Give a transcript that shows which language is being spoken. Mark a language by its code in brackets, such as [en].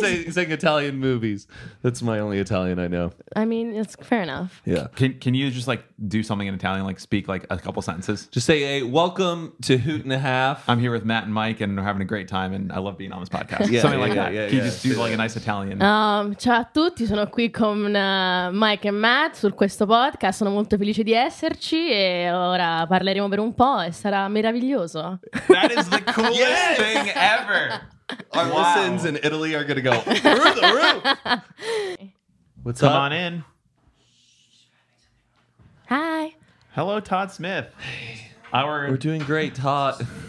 [en] Just saying Italian movies. That's my only Italian I know. I mean, it's fair enough. Yeah. Can you just like do something in Italian, like speak like a couple sentences? Just say, hey, welcome to Hoot and a Half. I'm here with Matt and Mike and we're having a great time and I love being on this podcast. Something like that. Can you just do like a nice Italian? [it] Ciao a tutti, sono qui con Mike e Matt su questo podcast. Sono molto felice di esserci e ora parleremo per un po' e sarà meraviglioso. [en] That is the coolest thing ever. Our listeners in Italy are going to go through the roof. What's up? Come on in. Hi. Hello, Todd Smith. We're doing great, Todd.